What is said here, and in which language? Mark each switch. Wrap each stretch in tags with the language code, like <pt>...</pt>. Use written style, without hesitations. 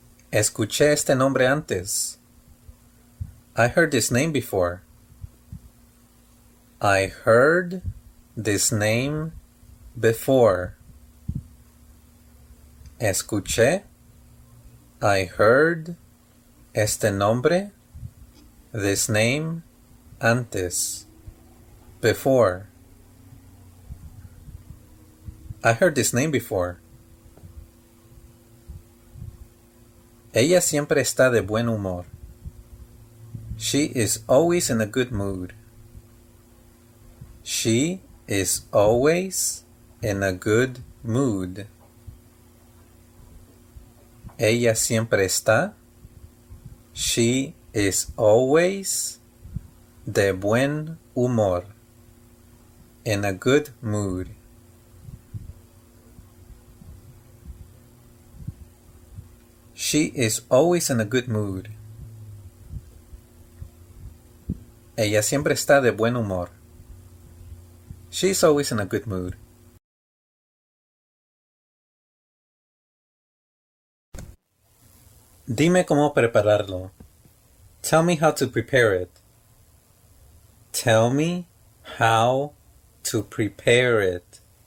<es>Escuché este nombre antes.</es> <en>I heard this name before. I heard this name before.</en> <es>Escuché.</es> <en>I heard</en> <es>este nombre.</es> <en>This name</en> <es>antes.</es> <en>Before. I heard this name before.</en> <es>Ella siempre está de buen humor.</es> <en>She is always in a good mood. She is always in a good mood.</en> <es>Ella siempre está.</es> <en>She is always</en> <es>de buen humor.</es> <en>In a good mood. She is always in a good mood.</en> <es>Ella siempre está de buen humor.</es> <en>She's always in a good mood.</en> <es>Dime cómo prepararlo.</es> <en>Tell me how to prepare it. Tell me how to prepare it.</en>